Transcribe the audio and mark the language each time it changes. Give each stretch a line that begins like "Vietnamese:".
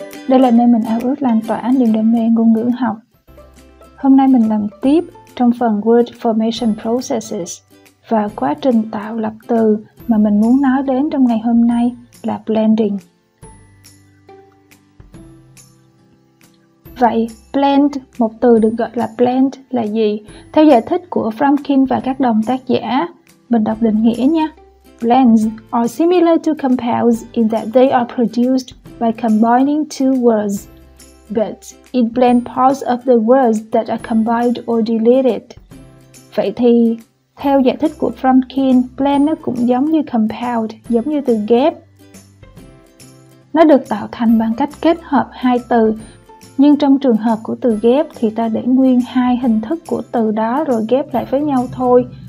Vietnamese: Đây là nơi mình ao ước lan tỏa niềm đam mê ngôn ngữ học. Hôm nay mình làm tiếp trong phần Word Formation Processes và quá trình tạo lập từ mà mình muốn nói đến trong ngày hôm nay là Blending. Vậy, blend, một từ được gọi là blend là gì? Theo giải thích của Frumkin và các đồng tác giả, mình đọc định nghĩa nha.
English: Blends are similar to compounds in that they are produced by combining two words, but it blend parts of the words that are combined or deleted.
Vietnamese: Vậy thì, theo giải thích của Frumkin, blend nó cũng giống như compound, giống như từ ghép. Nó được tạo thành bằng cách kết hợp hai từ. Nhưng trong trường hợp của từ ghép thì ta để nguyên hai hình thức của từ đó rồi ghép lại với nhau thôi.